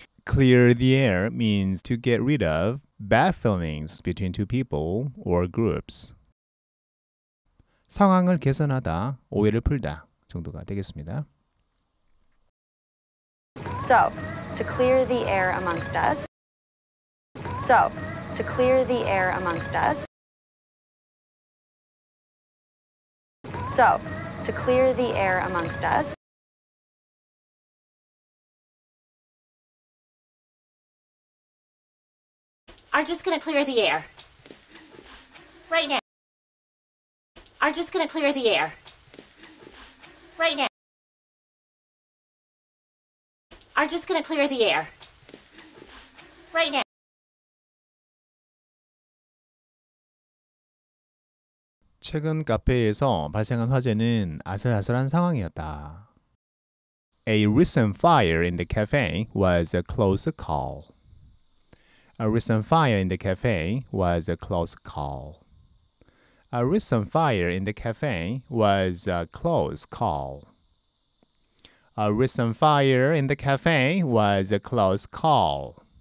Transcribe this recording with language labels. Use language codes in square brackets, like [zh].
[en] Clear the air means to get rid of bad feelings between two people or groups. [ko] 상황을 개선하다, 오해를 풀다 정도가 되겠습니다. [en] So, to clear the air amongst us. So, to clear the air amongst us. So, to clear the air amongst us. [ko] 최근 카페에서 발생한 화재는 아슬아슬한 상황이었다. [en] A recent fire in the cafe was a close call. A recent fire in the cafe was a close call. A recent fire in the cafe was a close call. A recent fire in the cafe was a close call.